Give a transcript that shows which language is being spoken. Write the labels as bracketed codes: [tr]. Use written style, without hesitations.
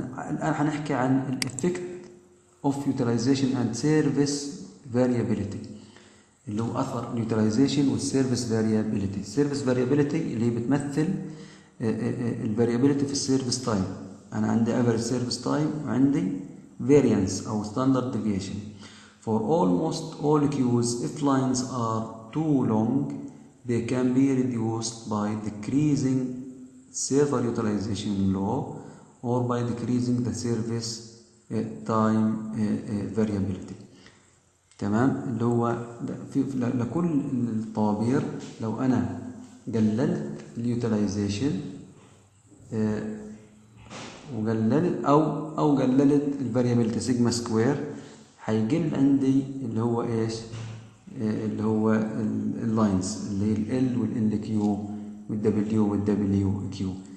[ar] الان حنحكي عن [en] الافكت of utilization and service variability, [ar] اللي هو اثر اليوتيلايزيشن والسيرفيس فاريابيليتي. السيرفيس فاريابيليتي اللي هي بتمثل الفاريابيليتي في السيرفيس تايم، انا عندي افريج سيرفيس تايم وعندي فاريانس او ستاندرد ديفيشن. [en] For almost all queues, if lines are too long, they can be reduced by decreasing server utilization law or by decreasing the service time variability. [ar] تمام؟ اللي هو لكل الطوابير لو أنا قللت utilization وقللت أو قللت variability sigma square، هيقل عندي اللي هو ايش اللي هو اللاينز اللي هي ال والال كيو والدبليو والدبليو كيو.